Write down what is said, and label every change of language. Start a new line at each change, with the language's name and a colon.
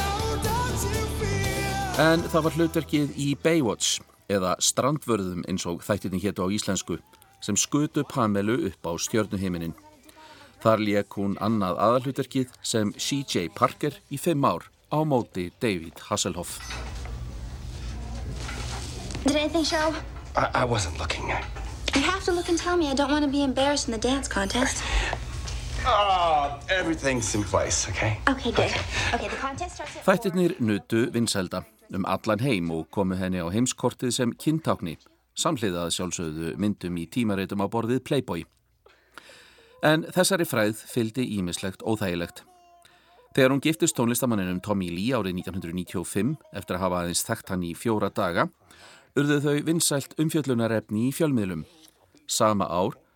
Icelandic: En það var hlutverkið í Baywatch, eða strandvörðum eins og þættinni hétu á íslensku, sem skutu Pamelu upp á stjörnuhimininn. Þar lék hún annað aðalhlutverkið sem CJ Parker í 5 ár á móti David Hasselhoff.
English: Did anything show? I wasn't looking. You have to look and tell me. I don't want to be embarrassed in the dance contest. Everything's in place, okay? Okay, good. Okay, the contest starts at 4.
Icelandic: Þættirnir nutu vinsælda allan heim og komu henni á heimskortið sem kyntákni, samhliðað sjálfsögðu myndum í tímaritum á borðið Playboy. En þessari fræð fylgdi ýmislegt óþægilegt. Þegar hún giftist tónlistamanninum Tommy Lee árið 1995 eftir að hafa aðeins þekkt hann í 4 daga, urðu þau vinsælt umfjöllunarefni í fjölmiðlum. Sama ár